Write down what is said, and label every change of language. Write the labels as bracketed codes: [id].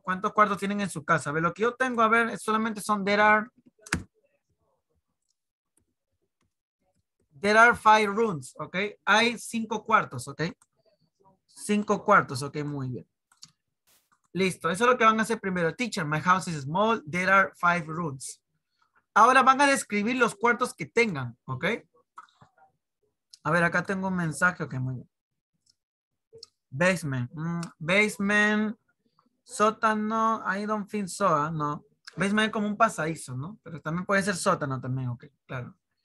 [es] Cuántos cuartos tienen en su casa. A ver, lo que yo tengo, a ver, solamente son, [en] there are five rooms, [es] okay? Hay cinco cuartos, okay? Cinco cuartos, ok, muy bien. Listo, eso es lo que van a hacer primero. [en] Teacher, my house is small, there are five rooms. [es] Ahora van a describir los cuartos que tengan, ok. A ver, acá tengo un mensaje, ok, muy bien. Basement. [en] Basement, sótano, I don't think so, no. [es] Basement es como un pasadizo, ¿no? Pero también puede ser sótano también, ok, claro.